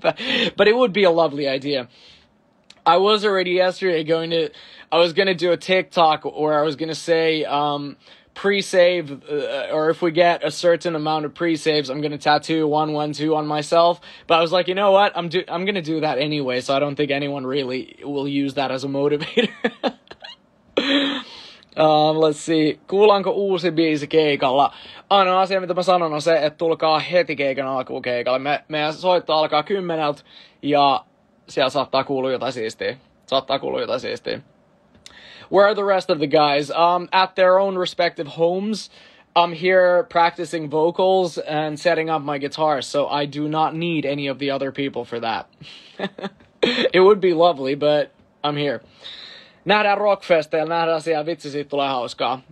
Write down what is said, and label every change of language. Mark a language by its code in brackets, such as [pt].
[en] But it would be a lovely idea. I was already yesterday going to do a TikTok where I was going to say pre-save, or if we get a certain amount of pre-saves, I'm going to tattoo 112 on myself. But I was like, you know what? I'm going to do that anyway, so I don't think anyone really will use that as a motivator. let's see. [fi] Kuulanko uusi biisi keikalla? Ainoa asia, mitä mä sanon, on se, että tulkaa heti keikan alkuun keikalle. Meidän soitto alkaa 10:00, ja siellä saattaa kuulua jotain siistiä. Saattaa kuulua jotain siistiä. [en] Where are the rest of the guys? At their own respective homes. I'm here practicing vocals and setting up my guitar, so I do not need any of the other people for that. It would be lovely, but I'm here. [fi] Nähdään rockfesteillä, nähdään siellä, vitsi, siitä tulee hauskaa.